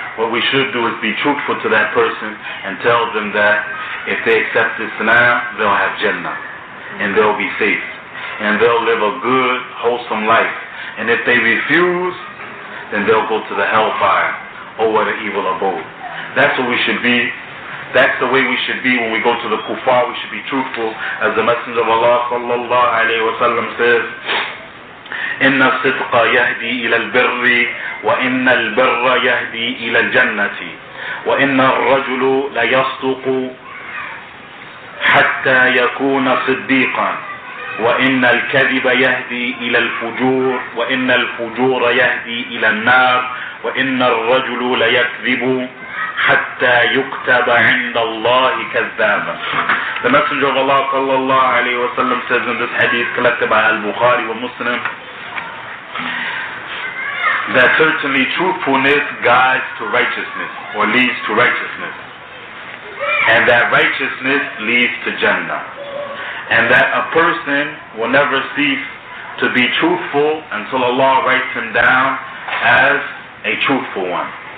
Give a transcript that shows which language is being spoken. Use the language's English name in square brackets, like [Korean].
[English] What we should do is be truthful to that person and tell them that if they accept Islam, they'll have Jannah and they'll be safe and they'll live a good, wholesome life. And if they refuse, then they'll go to the hellfire or what an evil abode. That's what we should be. That's the way we should be when we go to the kuffar. We should be truthful. As the Messenger of Allah sallallahu alayhi wa sallam says, [Arabic] إن الصدق يهدي إلى البر وإن البر يهدي إلى الجنة وإن الرجل ليصدق حتى يكون صديقا وإن الكذب يهدي إلى الفجور وإن الفجور يهدي إلى النار وإن الرجل ليكذب حتى يكتب عند الله كذابا. [English] The Messenger of Allah صلى الله عليه وسلم says in this hadith collected by Al-Bukhari and Muslim, that certainly truthfulness guides to righteousness, or leads to righteousness. And that righteousness leads to Jannah. And that a person will never cease to be truthful until Allah writes him down as a truthful one.